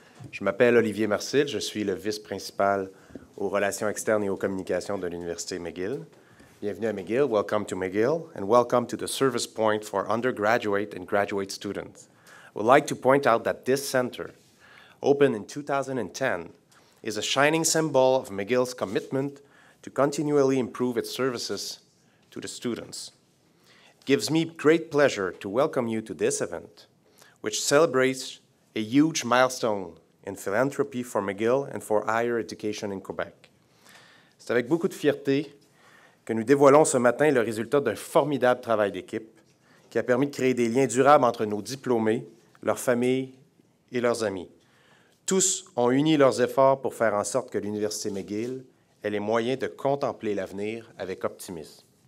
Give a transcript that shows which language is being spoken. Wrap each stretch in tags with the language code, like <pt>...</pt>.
<fr>Je m'appelle Olivier Marcil, je suis le vice-principal aux relations externes et aux communications de l'Université McGill. Bienvenue à McGill,</fr> <en>welcome to McGill, and welcome to the service point for undergraduate and graduate students. I would like to point out that this center, opened in 2010, is a shining symbol of McGill's commitment to continually improve its services to the students. It gives me great pleasure to welcome you to this event, which celebrates a huge milestone in philanthropy for McGill and for higher education in Quebec.</en> <fr>C'est avec beaucoup de fierté que nous dévoilons ce matin le résultat d'un formidable travail d'équipe qui a permis de créer des liens durables entre nos diplômés, leurs familles et leurs amis. Tous ont uni leurs efforts pour faire en sorte que l'Université McGill ait les moyens de contempler l'avenir avec optimisme.</fr>